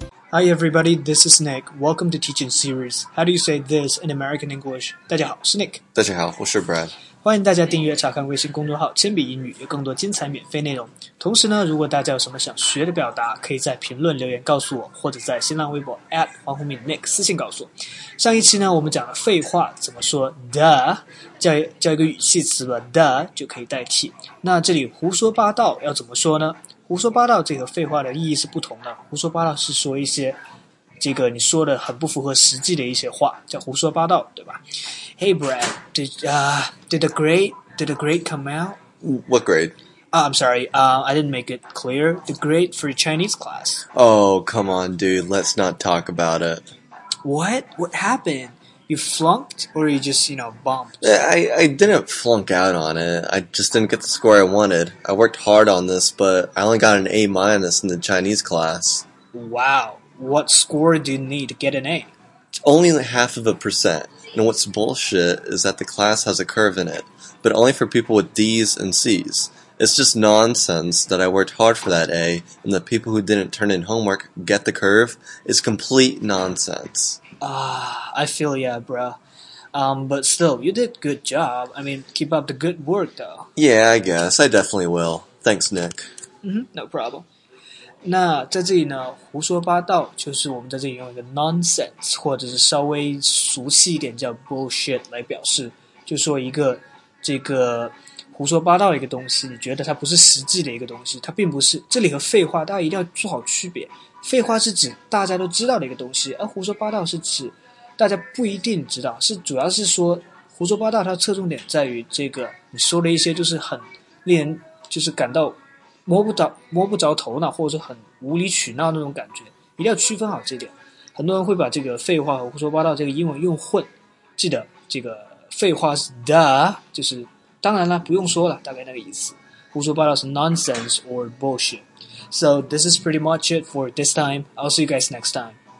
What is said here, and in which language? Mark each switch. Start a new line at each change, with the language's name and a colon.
English: Hi everybody, this is Nick. Welcome to Teaching Series. How do you say this in American English?
Chinese: 大家好，是 Nick。大家好，我是 Brad。欢迎大家订阅查看微信公众号铅笔英语，有更多精彩免费内容。同时呢，如果大家有什么想学的表达，可以在评论留言告诉我，或者在新浪微博 @ 黄宏敏 Nick 私信告诉我。上一期呢，我们讲了废话怎么说 叫一个语气词吧 ，the 就可以代替。那这里胡说八道要怎么说呢？胡说八道这个废话的意义是不同的。胡说八道是说一些这个你说的很不符合实际的一些话，叫胡说八道，对吧 ？
English: Hey Brad, did the grade come out? What grade? I'm sorry, I didn't make it clear. The grade for Chinese class. Oh, come on, dude. Let's not talk about it. What? What happened? You flunked or you just, you know, bumped? I didn't flunk out on it. I just didn't get the score I wanted. I worked hard on this, but I only got an A- in the Chinese class. Wow. What score do you need to get an A? It's only 0.5%. And what's bullshit is that the class has a curve in it, but only for people with D's and C's. It's just nonsense that I worked hard for that A, and the people who didn't turn in homework get the curve. It's complete nonsense. I feel ya, bro. But still, you did good job. I mean, keep up the good work, though. Yeah, I guess. I definitely will. Thanks, Nick. Mm-hmm, no problem.
Chinese: 那在这里呢，胡说八道就是我们在这里用一个 nonsense, 或者是稍微俗气一点叫 bullshit 来表示，就说一个这个胡说八道的一个东西，你觉得它不是实际的一个东西，它并不是。这里和废话大家一定要做好区别，废话是指大家都知道的一个东西，而胡说八道是指大家不一定知道，是主要是说胡说八道它侧重点在于这个你说的一些就是很令人就是感到摸不着头脑，或者是很无理取闹那种感觉，一定要区分好这点。很多人会把这个废话和胡说八道这个英文用混，记得这个废话是 the, 就是当然了，不用说了，大概那个意思。胡说八道是
English: nonsense or bullshit. So this is pretty much it for this time. I'll see you guys next time.